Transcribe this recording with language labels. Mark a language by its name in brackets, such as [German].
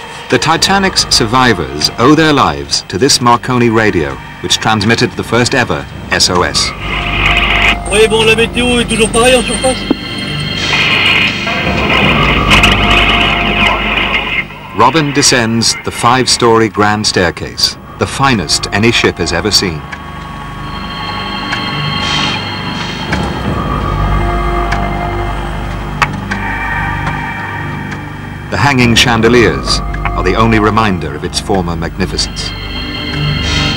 [English] The Titanic's survivors owe their lives to this Marconi radio, which transmitted the first ever SOS. [French] Oui, bon, la météo est toujours pareil en surface. [English] Robin descends the five-story grand staircase, the finest any ship has ever seen. The hanging chandeliers are the only reminder of its former magnificence.